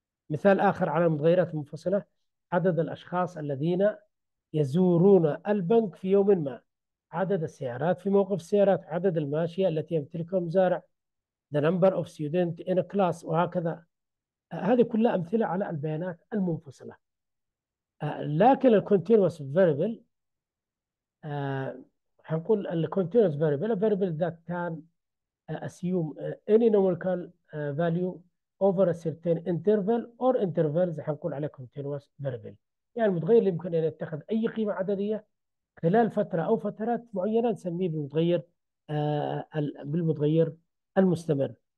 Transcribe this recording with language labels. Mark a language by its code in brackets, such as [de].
[ar] مثال اخر على المتغيرات المنفصله، عدد الاشخاص الذين يزورون البنك في يوم ما، عدد السيارات في موقف السيارات، عدد الماشية التي يمتلكها المزارع، [en] the number of students in a class، [ar] وهكذا. هذه كلها أمثلة على البيانات المنفصلة. لكن الـ [en] continuous variable، [ar] هنقول الـ [en] continuous variable، a variable that can assume any numerical value over a certain interval or intervals، [ar] راح نقول عليه [en] continuous variable، [ar] يعني المتغير اللي يمكن ان يتخذ اي قيمه عدديه خلال فتره او فترات معينه نسميه بالمتغير بالمتغير المستمر.